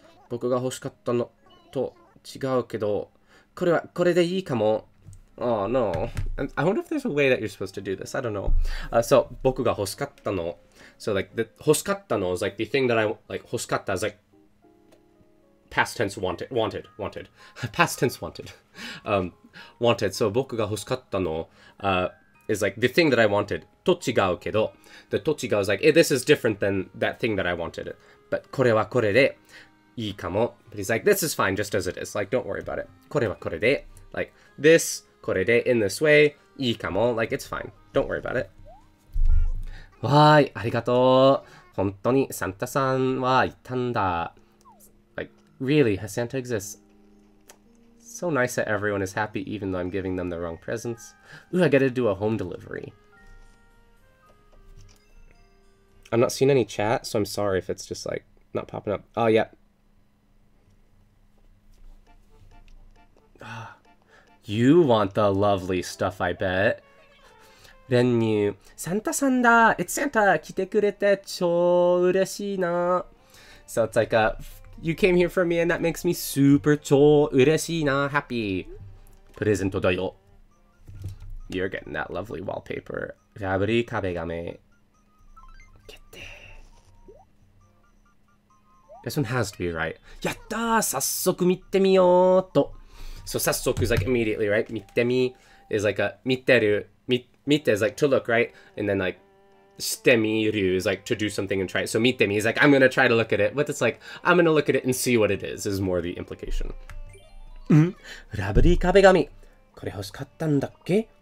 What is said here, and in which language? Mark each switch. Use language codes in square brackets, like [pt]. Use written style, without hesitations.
[ja] 僕が欲しかったのと違うけど、これはこれでいいかも。 [en] Oh no. I wonder if there's a way that you're supposed to do this. I don't know. [ja] So, 僕が欲しかったの. [en] So, like, the 欲しかったの is like the thing that I like, 欲しかった is like past tense wanted. past tense wanted. wanted. So, 僕が欲しかったの is like the thing that I wanted. と違うけど、でと違う is like, hey, this is different than that thing that I wanted. [ja] But これはこれでいいかも。 [en] But he's like, this is fine, just as it is. Like, don't worry about it. これはこれで、 like this, これで in this way, いいかも。 Like, it's fine. Don't worry about it. [ja] わーい、ありがとう。本当にサンタさんはいたんだ。 [en] Like, really, has Santa exists? So nice that everyone is happy even though I'm giving them the wrong presents. Ooh, I gotta do a home delivery. I'm not seeing any chat, so I'm sorry if it's just like not popping up. Oh, yeah. You want the lovely stuff, I bet. Venue. Santa-san da! It's Santa! [ja] 来てくれて超嬉しいな! [en] So it's like a... You came here for me and that makes me super 超嬉しいな happy. [ja] プレゼントだよ。 [en] You're getting that lovely wallpaper. [ja] ラブリー壁紙。決定。 [en] This one has to be right. [ja] やったー早速見てみようと。 [en] So 早速 is like immediately, right? 見てみ is like a 見てる。見て is like to look, right? And then like,してみる is like to do something and try it. So 見てみ is like I'm gonna try to look at it, but it's like I'm gonna look at it and see what it is more the implication. [ja] ラブリー壁紙これ欲しかったんだっけ？